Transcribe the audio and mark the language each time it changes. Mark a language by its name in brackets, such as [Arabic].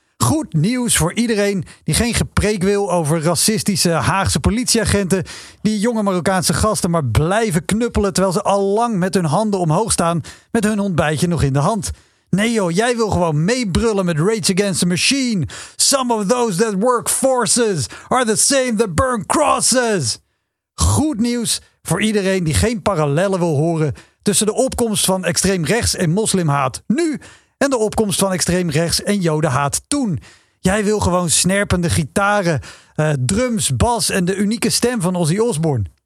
[Dutch] Goed nieuws voor iedereen die geen gepreek wil over racistische Haagse politieagenten die jonge Marokkaanse gasten maar blijven knuppelen terwijl ze allang met hun handen omhoog staan met hun ontbijtje nog in de hand. Nee joh, jij wil gewoon meebrullen met Rage Against the Machine. [English] Some of those that work forces are the same that burn crosses. [Dutch] Goed nieuws voor iedereen die geen parallellen wil horen tussen de opkomst van extreem rechts en moslimhaat nu en de opkomst van extreem rechts en jodenhaat toen. Jij wil gewoon snerpende gitaren, drums, bas en de unieke stem van Ozzy Osbourne.